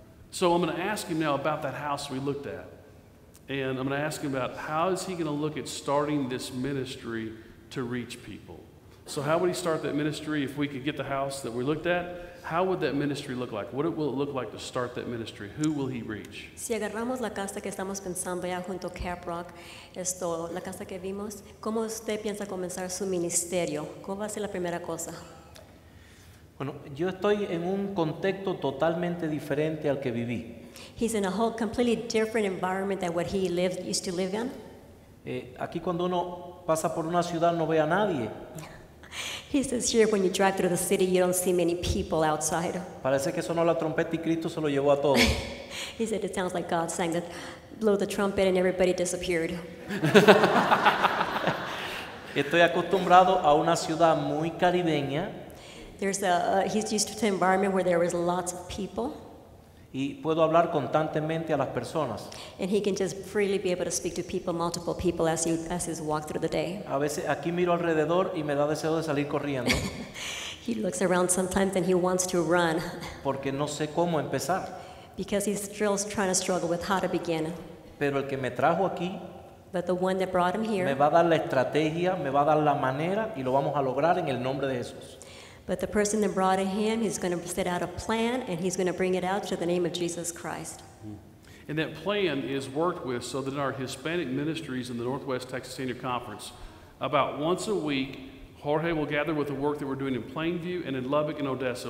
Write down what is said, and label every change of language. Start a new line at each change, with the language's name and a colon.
English: So I'm going to ask him now about that house we looked at. And I'm going to ask him about how is he going to look at starting this ministry to reach people. So how would he start that ministry if we could get the house that we looked at? How would that ministry look like? What will it look like to start that ministry? Who will he reach?
Spanish: Si agarramos la casa que estamos pensando ya junto a Cap Rock, esto, la casa que vimos, ¿cómo usted piensa comenzar su ministerio? ¿Cómo va a ser la primera cosa? Bueno, yo estoy en un contexto totalmente diferente al que viví.
English: He's in a whole completely different environment than what he lived, used to live in.
Spanish: Aquí cuando uno pasa por una ciudad no ve a nadie.
English: He says here when you drive through the city you don't see many people outside.
Spanish: Parece que sonó la trompeta y Cristo se lo llevó a todos.
English: He said it sounds like God sang that blow the trumpet and everybody disappeared.
Spanish: Estoy acostumbrado a una ciudad muy caribeña.
English: There's a he's used to an environment where there was lots of people.
Spanish: Y puedo hablar constantemente a las personas.
English: And he can just freely be able to speak to people, multiple people, as he as his walk through the day.
Spanish: A veces aquí miro alrededor y me da deseo de salir corriendo.
English: He looks around sometimes and he wants to run.
Spanish: Porque no sé cómo empezar.
English: Because he's still trying to struggle with how to begin.
Spanish: Pero el que me trajo aquí.
English: But the one that brought him here.
Spanish: Me va a dar la estrategia, me va a dar la manera y lo vamos a lograr en el nombre de Jesús.
English: But the person that brought him, he's going to set out a plan, and he's going to bring it out to the name of Jesus Christ. And that plan is worked with so that in our Hispanic ministries in the Northwest Texas Senior Conference, about once a week, Jorge will gather with the work that we're doing in Plainview and in Lubbock and Odessa.